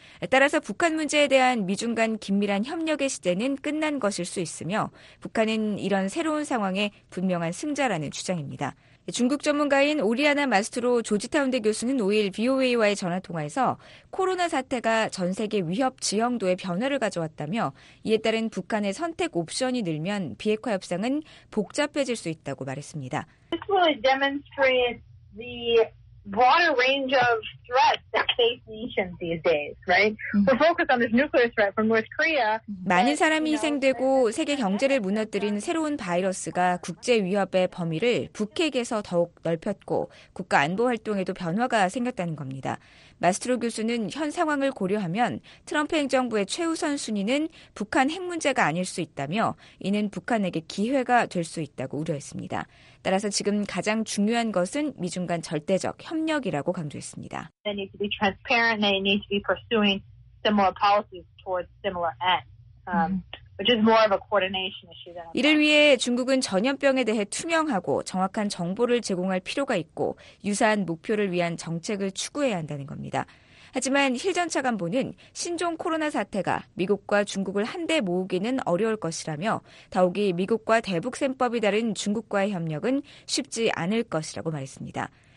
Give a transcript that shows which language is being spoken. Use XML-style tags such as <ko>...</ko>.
<ko>따라서 북한 문제에 대한 미중 간 긴밀한 협력의 시대는 끝난 것일 수 있으며 북한은 이런 새로운 상황에 분명한 승자라는 주장입니다. 중국 전문가인 오리아나 마스트로 조지타운대 교수는 5일 VOA와의 전화통화에서 코로나 사태가 전 세계 위협 지형도의 변화를 가져왔다며 이에 따른 북한의 선택 옵션이 늘면 비핵화 협상은 복잡해질 수 있다고 말했습니다.</ko> <en>This will demonstrate the broader range of threats that face nations these days, right? We're focused on this nuclear threat from North Korea.</en> <ko>많은 사람이 희생되고 세계 경제를 무너뜨린 새로운 바이러스가 국제 위협의 범위를 북핵에서 더욱 넓혔고 국가 안보 활동에도 변화가 생겼다는 겁니다. 마스트로 교수는 현 상황을 고려하면 트럼프 행정부의 최우선 순위는 북한 핵 문제가 아닐 수 있다며 이는 북한에게 기회가 될 수 있다고 우려했습니다. 따라서 지금 가장 중요한 것은 미중 간 절대적 협력이라고 강조했습니다.</ko> <en>They need to be transparent. They need to be pursuing similar policies towards similar ends. Which is more of a coordination issue than.</en> <ko>이를 위해 중국은 전염병에 대해 투명하고 정확한 정보를 제공할 필요가 있고 유사한 목표를 위한 정책을 추구해야 한다는 겁니다. 하지만 힐 전 차관보는 신종 코로나 사태가 미국과 중국을 한데 모으기는 어려울 것이라며 더욱이 미국과 대북셈법이 다른 중국과의 협력은 쉽지 않을 것이라고 말했습니다.</ko>